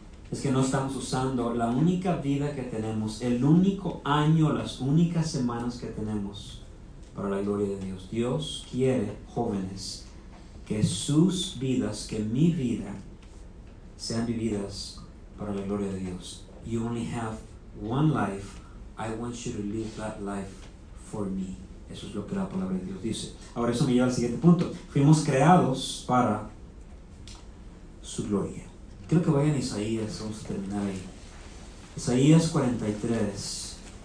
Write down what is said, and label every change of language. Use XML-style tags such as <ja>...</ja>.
<es>es que no estamos usando la única vida que tenemos, el único año, las únicas semanas que tenemos para la gloria de Dios. Dios quiere, jóvenes, que sus vidas, que mi vida, sean vividas para la gloria de Dios.</es> <en>You only have one life. I want you to live that life for me.</en> <es>Eso es lo que la palabra de Dios dice. Ahora eso me lleva al siguiente punto. Fuimos creados para su gloria. Creo que vayan a Isaías, vamos a terminar ahí. Isaías 43.</es>